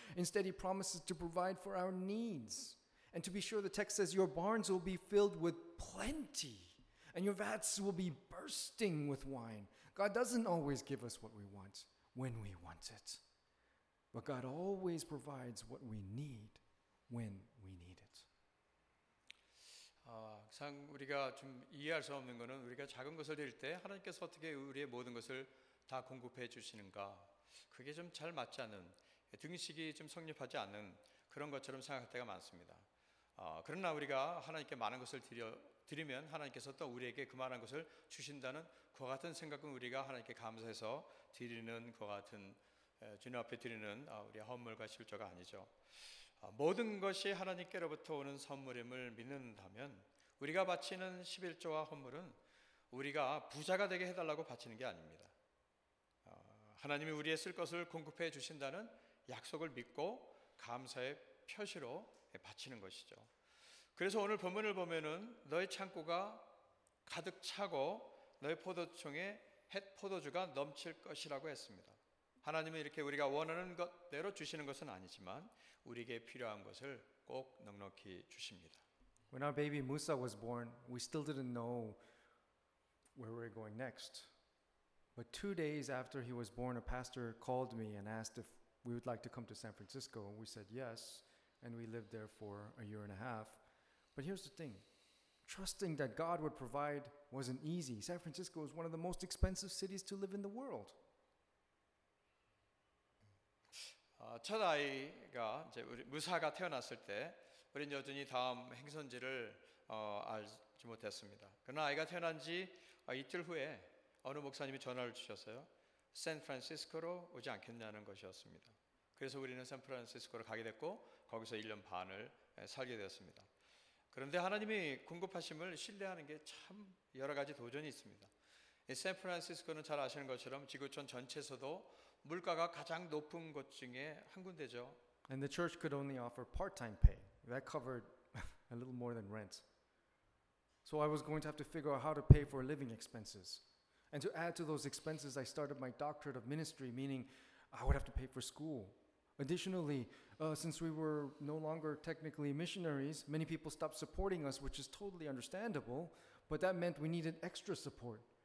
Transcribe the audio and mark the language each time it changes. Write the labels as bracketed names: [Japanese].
[English] Instead, he promises to provide for our needs. And to be sure, the text says your barns will be filled with plenty and your vats will be bursting with wine. God doesn't always give us what we want when we want it. But God always provides what we need when we need it. [Korean] 항상 우리가 좀 이해할 수 없는 것은 우리가 작은 것을 드릴 때 하나님께서 어떻게 우리의 모든 것을 다 공급해 주시는가. 그게 좀 잘 맞지 않는, 등식이 좀 성립하지 않는 그런 것처럼 생각할 때가 많습니다. 그러나 우리가 하나님께 많은 것을 드리면 하나님께서 또 우리에게 그만한 것을 주신다는 그와 같은 생각은 우리가 하나님께 감사해서 드리는 그와 같은 주님 앞에 드리는 우리의 헌물과 실조가 아니죠. 모든 것이 하나님께로부터 오는 선물임을 믿는다면 우리가 바치는 십일조와 헌물은 우리가 부자가 되게 해달라고 바치는 게 아닙니다. 하나님이 우리의 쓸 것을 공급해 주신다는 약속을 믿고 감사의 표시로 바치는 것이죠. 그래서 오늘 본문을 보면은 너의 창고가 가득 차고 너의 포도총에 햇포도주가 넘칠 것이라고 했습니다. 하나님은 이렇게 우리가 원하는 것대로 주시는 것은 아니지만 우리에게 필요한 것을 꼭 넉넉히 주십니다. [English] When our baby Musa was born, we still didn't know where we were going next. But 2 days after he was born, a pastor called me and asked if we would like to come to San Francisco. We said yes, and we lived there for a year and a half. But here's the thing. Trusting that God would provide wasn't easy. San Francisco is one of the most expensive cities to live in the world. [Korean] 첫 아이가 이제 우리 무사가 태어났을 때 우리는 여전히 다음 행선지를 알지 못했습니다. 그러나 아이가 태어난 지 이틀 후에 어느 목사님이 전화를 주셨어요. 샌프란시스코로 오지 않겠냐는 것이었습니다. 그래서 우리는 샌프란시스코로 가게 됐고 거기서 1년 반을 살게 되었습니다. 그런데 하나님이 공급하심을 신뢰하는 게 참 여러 가지 도전이 있습니다. 이 샌프란시스코는 잘 아시는 것처럼 지구촌 전체에서도 물가가 가장 높은 곳 중에 한 군데죠. [English] And the church could only offer part-time pay. That covered a little more than rent. So I was going to have to figure out how to pay for living expenses. And to add to those expenses, I started my doctorate of ministry, meaning I would have to pay for school. Additionally, since we were no longer technically missionaries, many people stopped supporting us, which is totally understandable, but that meant we needed extra support.